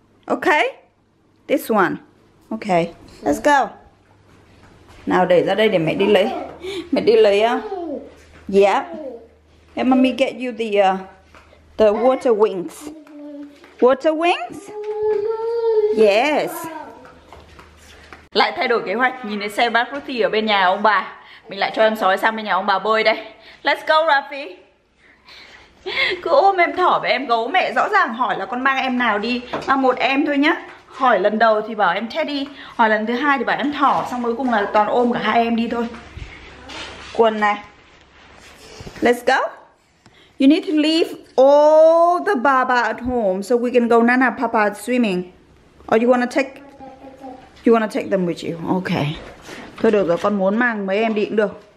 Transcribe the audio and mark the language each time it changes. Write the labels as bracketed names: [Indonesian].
[English] Okay. This one. Okay. Let's go. [Vietnamese] Nào để ra đây để mẹ đi lấy. Mẹ đi lấy á. [English] Yeah. Hey, mommy get you the water wings. Water wings? Yes. [Vietnamese] Lại thay đổi kế hoạch, nhìn thấy xe bát Ruthie ở bên nhà ông bà. Mình lại cho em sói sang bên nhà ông bà bơi đây. [English] Let's go, Rafi. [Vietnamese] Cứ ôm em thỏ với em gấu, mẹ rõ ràng hỏi là con mang em nào đi. Mang một em thôi nhá. Hỏi lần đầu thì bảo em Teddy, hỏi lần thứ hai thì bảo em thỏ, xong cuối cùng là toàn ôm cả hai em đi thôi. Quần này. [English] Let's go. You need to leave all the Baba at home so we can go Nana Papa swimming. Or you wanna take them with you? Okay. [Vietnamese] Thôi được rồi, con muốn mang mấy em đi cũng được.